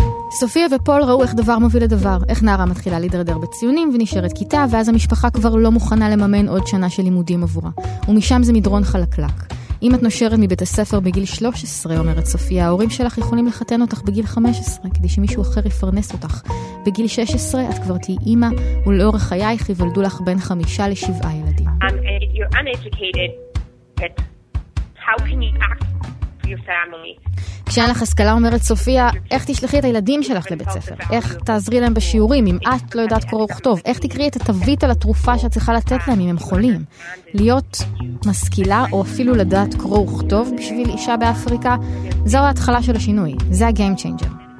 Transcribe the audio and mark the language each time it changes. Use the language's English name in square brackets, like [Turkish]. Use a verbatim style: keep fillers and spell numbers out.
[Hebrew] סופיה ופול ראו איך דבר מוביל לדבר, איך נערה מתחילה להידרדר בציונים ונשארת כיתה, ואז המשפחה כבר לא מוכנה לממן עוד שנה של לימודים עבורה. ומשם זה מדרון חלקלק. אם את נושרת מבית הספר בגיל שלוש עשרה, אומרת סופיה, ההורים שלך יכולים לחתן אותך בגיל חמש עשרה, כדי שמישהו אחר יפרנס אותך. בגיל שש עשרה את כבר תהי אימא, ולאורך חייך יוולדו לך בין חמישה לשבעה ילדים. [English] You're uneducated, but how can you act for your family? [Hebrew] כשאין לך השכלה, אומרת סופיה, איך תשלחי את הילדים שלך לבית ספר? איך תעזרי להם בשיעורים אם את לא יודעת קורא וכתוב? איך תקראי את התווית על התרופה שאת צריכה לתת להם אם הם חולים? להיות משכילה או אפילו לדעת קורא וכתוב בשביל אישה באפריקה, זו ההתחלה של השינוי, זה ה-game changer.